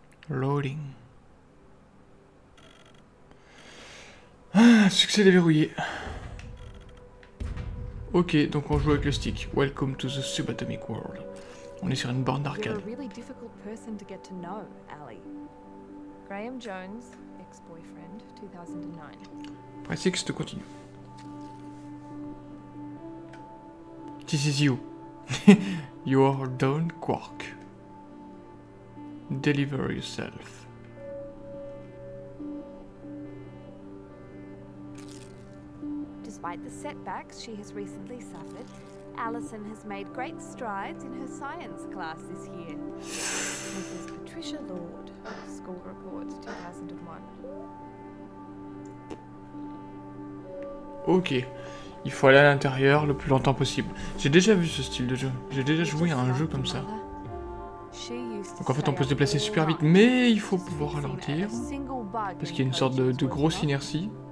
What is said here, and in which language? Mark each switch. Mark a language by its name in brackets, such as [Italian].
[English] Loading. [French] Ah, succès déverrouillé. Ok, donc on joue avec le stick. [English] Welcome to the subatomic world. [French] On est sur une borne d'arcade. [English] You're a really difficult person to get to know, Ali. Graham Jones, ex-boyfriend, 2009. [French] Précise de continuer. [English] This is you. You are Dawn Quark. Deliver yourself. Despite the setbacks she has recently suffered, Allison has made great strides in her science class this year. Mrs. Patricia Lord, school report 2001. [French] Ok, il faut aller à l'intérieur le plus longtemps possible. J'ai déjà vu ce style de jeu, j'ai déjà joué à un jeu comme ça. Donc en fait on peut se déplacer super vite, mais il faut pouvoir ralentir parce qu'il y a une sorte de grosse inertie.